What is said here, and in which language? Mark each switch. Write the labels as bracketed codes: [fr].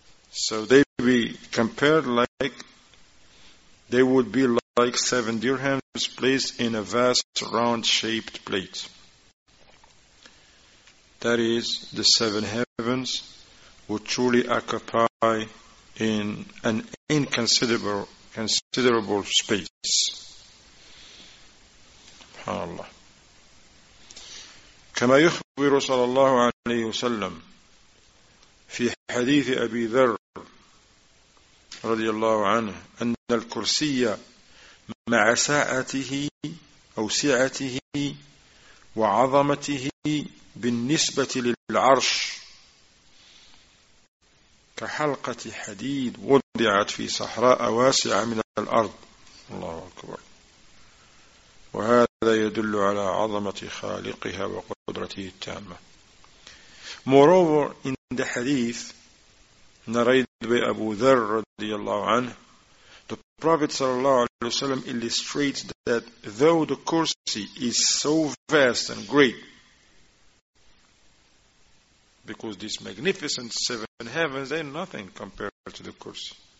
[en] So they would be compared like, they would be like seven dirhams placed in a vast round-shaped plate. That is, the seven heavens would truly occupy in an inconsiderable space. SubhanAllah. [ar] كما يخبر صلى الله عليه وسلم في حديث أبي ذر رضي الله عنه أن الكرسي مع ساعته أو سعته وعظمته بالنسبة للعرش كحلقة حديد وضعت في صحراء واسعة من الأرض. الله أكبر. وهذا يدل على عظمة خالقها وقدرته التامة. [en] Moreover, in the hadith narrated by Abu Dharr رضي الله عنه, the Prophet صلى الله عليه وسلم illustrates that though the kursi is so vast and great, because these magnificent seven heavens, they are nothing compared to the kursi.